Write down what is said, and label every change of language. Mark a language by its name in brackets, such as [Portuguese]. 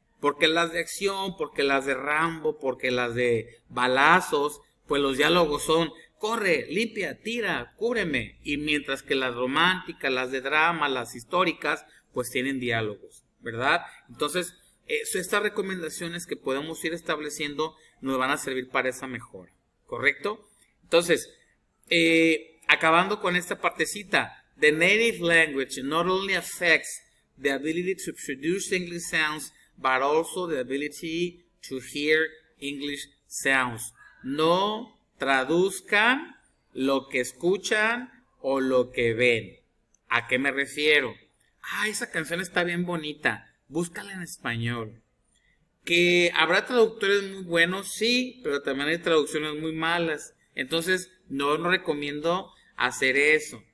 [Spanish] Porque las de acción, porque las de Rambo, porque las de balazos, pues los diálogos son, corre, limpia, tira, cúbreme. Y mientras que las románticas, las de drama, las históricas, pues tienen diálogos, ¿verdad? Entonces, Estas recomendaciones que podemos ir estableciendo nos van a servir para esa mejora, ¿correcto? Entonces, acabando con esta partecita, [English] the native language not only affects the ability to produce English sounds, but also the ability to hear English sounds. [Spanish] No traduzcan lo que escuchan o lo que ven. ¿A qué me refiero? Ah, esa canción está bien bonita. Búscala en español. ¿Que habrá traductores muy buenos? Sí, pero también hay traducciones muy malas. Entonces, no recomiendo hacer eso.